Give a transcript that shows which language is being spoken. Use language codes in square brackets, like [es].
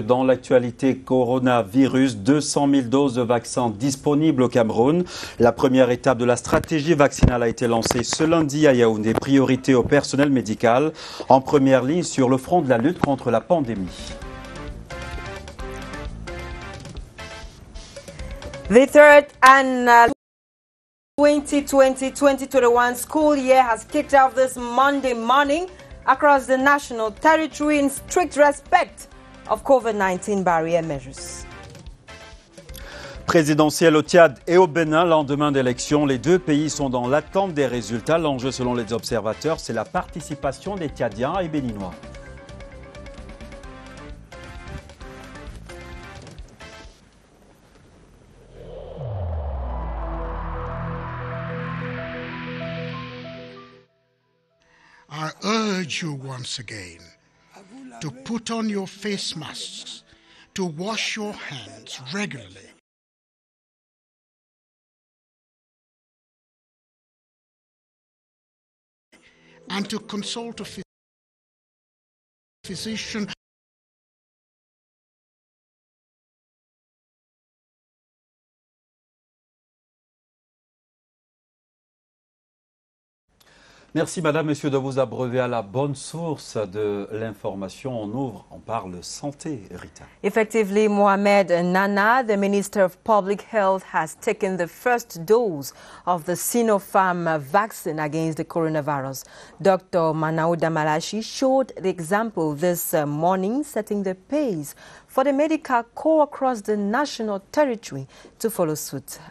[fr] Dans l'actualité coronavirus, 200 000 doses de vaccins disponibles au Cameroun. La première étape de la stratégie vaccinale a été lancée ce lundi à Yaoundé. Priorité au personnel médical en première ligne sur le front de la lutte contre la pandémie. [en] The third annual 2020-2021 school year has kicked off this Monday morning across the national territory in strict respect of COVID-19 barrier measures. [fr] Présidentielle au Tchad et au Bénin, lendemain d'élection, les deux pays sont dans l'attente des résultats. L'enjeu selon les observateurs, c'est la participation des Tchadiens et Béninois. [en] I urge you once again to put on your face masks, to wash your hands regularly. And to consult a physician [fr] Merci, Madame, Monsieur, de vous abreuver à la bonne source de l'information. On ouvre, on parle santé, Rita. [en] Effectively, Mohamed Nana, the Minister of Public Health, has taken the first dose of the Sinopharm vaccine against the coronavirus. Dr. Manaouda Malachie showed the example this morning, setting the pace for the medical corps across the national territory to follow suit.